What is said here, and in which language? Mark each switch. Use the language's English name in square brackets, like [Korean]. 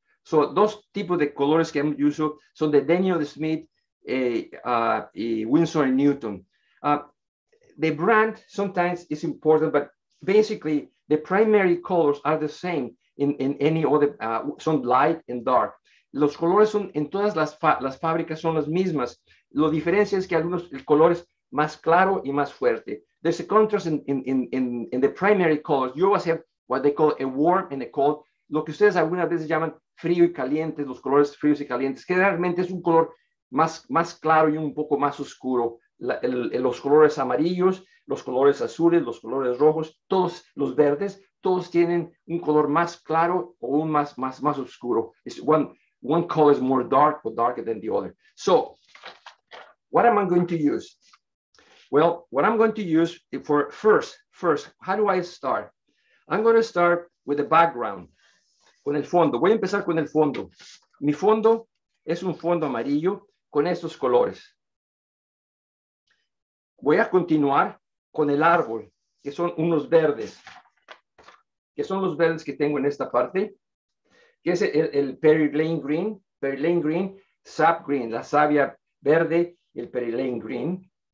[English] So those [Spanish] tipos de colores que hemos usado son de Daniel Smith y Winsor & Newton. [English] The brand sometimes is important, but basically the primary colors are the same in any other, son light and dark. [Spanish] Los colores son en todas las fábricas son las mismas. Lo diferencia es que algunos el color es más claro y más fuerte. [English] There's a contrast in the primary colors. You always have what they call a warm and a cold. [Spanish] Lo que ustedes algunas veces llaman frío y caliente, los colores fríos y calientes. Generalmente es un color más claro y un poco más oscuro. Los colores amarillos, los colores azules, los colores rojos, todos los verdes, todos tienen un color más claro o un más oscuro. [English] It's one color is more dark or darker than the other. So, what am I going to use? Well, what I'm going to use for first, how do I start? I'm going to start with the background, [Spanish] con el fondo. Voy a empezar con el fondo. Mi fondo es un fondo amarillo con estos colores. Voy a continuar con el árbol, que son unos verdes, que son los verdes que tengo en esta parte, que es el perilane green, sap green, la savia verde, el perilane green.